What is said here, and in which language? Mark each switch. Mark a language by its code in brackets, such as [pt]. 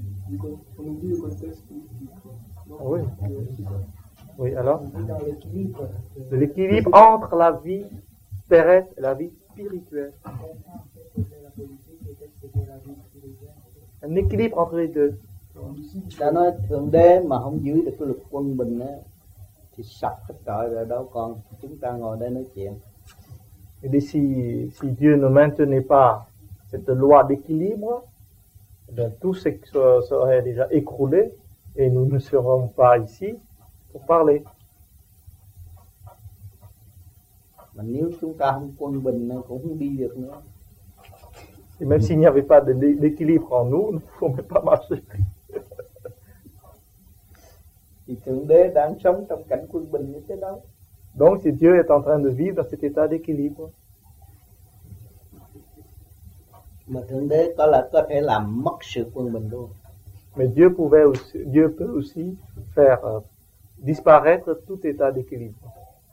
[fr] du contexte. Oui. Oui, alors l'équilibre. L'équilibre entre la vie terrestre et la vie spirituelle. Un équilibre entre les deux. [vi] Ta nói Thượng Đế mà không giữ được cái luật quân bình á thì sập tất cả rồi đó con. Chúng ta ngồi đây nói chuyện. [fr] Et si, si Dieu ne maintenait pas cette loi d'équilibre, bien tout ce qui serait déjà écroulé et nous ne serons pas ici pour parler. [vi] Mais nếu chúng ta không quân bình nó cũng không đi được nữa. [fr] Et même s'il n'y avait pas d'équilibre en nous, nous ne pourrions pas marcher. [vi] Thì Thượng Đế đang sống trong cảnh quân bình như thế đâu. [fr] Donc si Dieu est en train de vivre dans cet état d'équilibre. [vi] Mà Thượng Đế có là có thể làm mất sự quân bình luôn. [fr] Mais Dieu pouvait aussi, Dieu peut aussi faire disparaître tout état d'équilibre.